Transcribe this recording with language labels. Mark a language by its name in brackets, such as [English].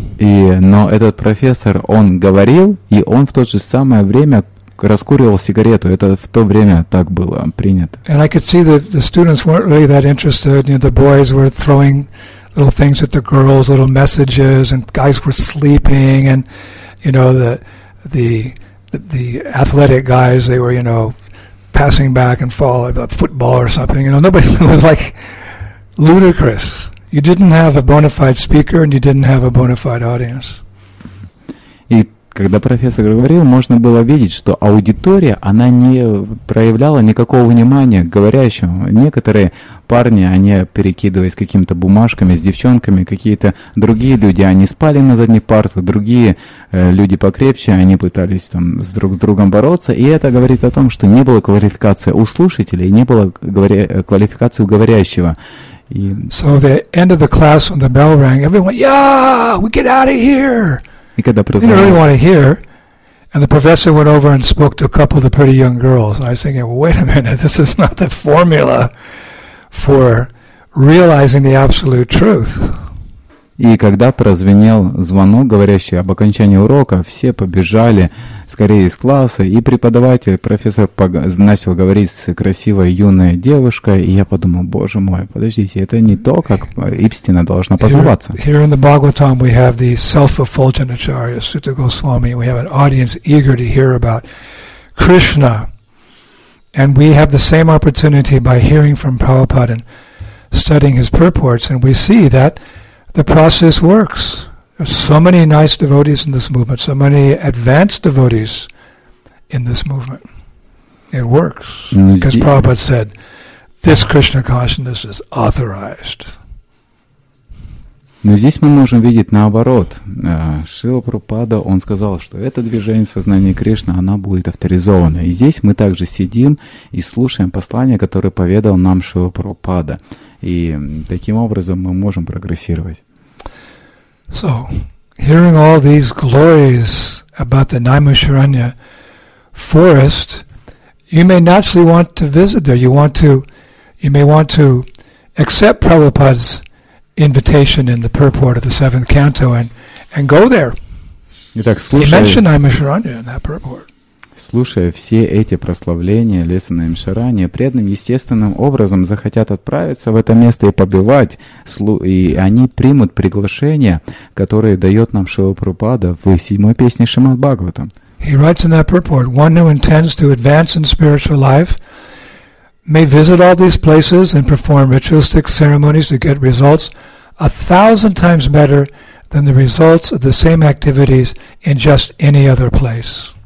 [Russian] Но этот профессор, он говорил, и он в то же самое время раскуривал сигарету. Это в то время так было принято. [English] And I could see that the students weren't really that interested. You know, the boys were throwing little things at the girls, little messages, and guys were sleeping, and, you know, the athletic guys, they were, you know, passing back and fall, like football or something. You know, nobody was like ludicrous. You didn't have a bona fide speaker, and you didn't have a bona fide audience. [Russian] И когда профессор говорил, можно было видеть, что аудитория, она не проявляла никакого внимания к говорящему. Некоторые парни, они перекидывались какими-то бумажками с девчонками, какие-то другие люди, они спали на задних партах, другие люди покрепче, они пытались там с друг с другом бороться, и это говорит о том, что не было квалификации у слушателей, не было квалификации у говорящего. [English] So the end of the class, when the bell rang, everyone, yeah, we get out of here. [Russian] И когда прозвонил, [English] they didn't really want to hear. And the professor went over and spoke to a couple of the pretty young girls. And I was thinking, wait a minute, this is not the formula for realizing the absolute truth. [Russian] И когда прозвенел звонок, говорящий об окончании урока, все побежали скорее из класса, и преподаватель, профессор, начал говорить с красивой юной девушкой, и я подумал, боже мой, подождите, это не то, как истина должна познаваться. [English] Here in the Bhagavatam we have the self-effulgent Acharya, Sutta Goswami, we have an audience eager to hear about Krishna, and we have the same opportunity by hearing from Prabhupada and studying his purports, and we see that the process works. There's so many nice devotees in this movement, so many advanced devotees in this movement. It works. Because Prabhupada said, this Krishna consciousness is authorized. [Russian] Но здесь мы можем видеть наоборот. Шрила Прабхупада, он сказал, что это движение сознания Кришны, оно будет авторизовано. И здесь мы также сидим и слушаем послание, которое поведал нам Шрила Прабхупада. И таким образом мы можем прогрессировать. [English] So, hearing all these glories about the Naimisharanya forest, you may naturally want to visit there. You may want to accept Prabhupada's invitation in the purport of the seventh canto and go there. [Russian] Итак, слушай, [English] he mentioned Aimsharanya in that purport. [Russian] Слушая все эти прославления Лесана Аймшарани, преданным естественным образом захотят отправиться в это место и побывать, и они примут приглашение, которое дает нам Шрила Прабхупада в седьмой песне Шримад Бхагаватам. [English] He writes in that purport, one who intends to advance in spiritual life may visit all these places and perform ritualistic ceremonies to get results 1,000 times better than the results of the same activities in just any other place.